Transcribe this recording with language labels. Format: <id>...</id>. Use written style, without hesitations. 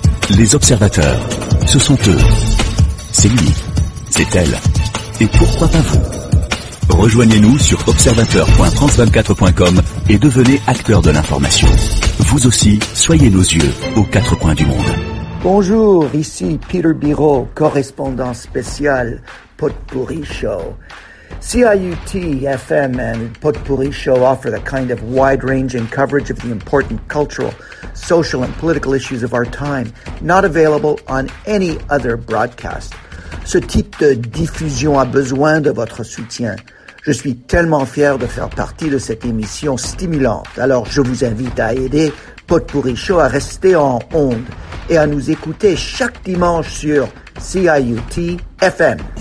<fr>Les observateurs, ce sont eux, c'est lui, c'est elle, et pourquoi pas vous? Rejoignez-nous sur observateur.france24.com et devenez acteur de l'information. Vous aussi, soyez nos yeux aux quatre coins du monde. Bonjour, ici Peter Biro, correspondant spécial Potpourri Show.</fr> <en>CIUT FM and Potpourri Show offer the kind of wide-ranging coverage of the important cultural, social, and political issues of our time, not available on any other broadcast.</en> <fr>Ce type de diffusion a besoin de votre soutien. Je suis tellement fier de faire partie de cette émission stimulante. Alors, je vous invite à aider Potpourri Show à rester en onde et à nous écouter chaque dimanche sur CIUT FM.</fr>